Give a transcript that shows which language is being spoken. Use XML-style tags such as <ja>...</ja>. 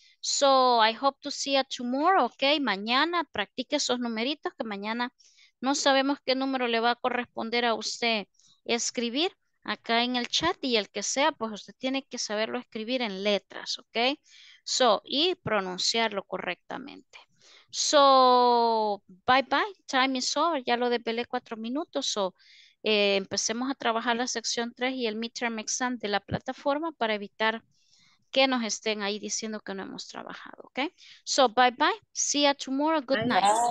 <en>So I hope to see you tomorrow, ok.</en> <es>Mañana practique esos numeritos que mañana no sabemos qué número le va a corresponder a usted escribir acá en el chat y el que sea, pues usted tiene que saberlo escribir en letras, ok. So, y pronunciarlo correctamente. So,</es> <en>bye bye, time is over,</en> <es>ya lo desvelé 4 minutos. So, empecemos a trabajar la sección 3 y el midterm exam de la plataforma para evitar que nos estén ahí diciendo que no hemos trabajado, ok.</es> <en>So, bye bye, see you tomorrow, good night.</en>